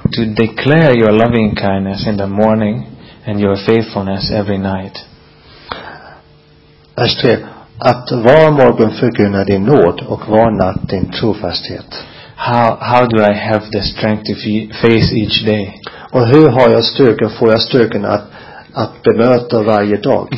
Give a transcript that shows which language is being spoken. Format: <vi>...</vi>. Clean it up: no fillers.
<en>To declare your loving kindness in the morning and your faithfulness every night.</en> <sv>Vers 3. Att var morgon förkunna din nåd och var natt din trofasthet.</sv> <en>How do I have the strength to face each day?</en> <sv>Och hur har jag styrkan, får jag styrkan att bemöta varje dag?</sv>